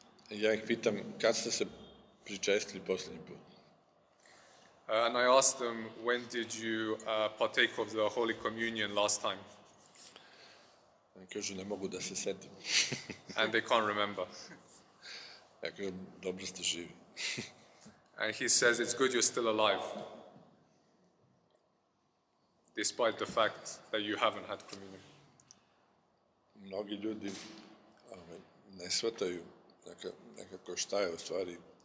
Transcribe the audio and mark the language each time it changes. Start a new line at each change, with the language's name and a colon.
Serbian: Ja ih pitam, kad ste se pričestili poslednji put?
English: And I ask them, when did you partake of the Holy Communion last time?
Serbian: Ja kažu, ne mogu da se setim.
English: And they can't remember.
Serbian: Ja kažu, dobro ste živi.
English: And he says, it's good you're still alive. Despite the fact that you haven't had communion.
Serbian: Mnogi ljudi ne shvataju nekako šta je u stvari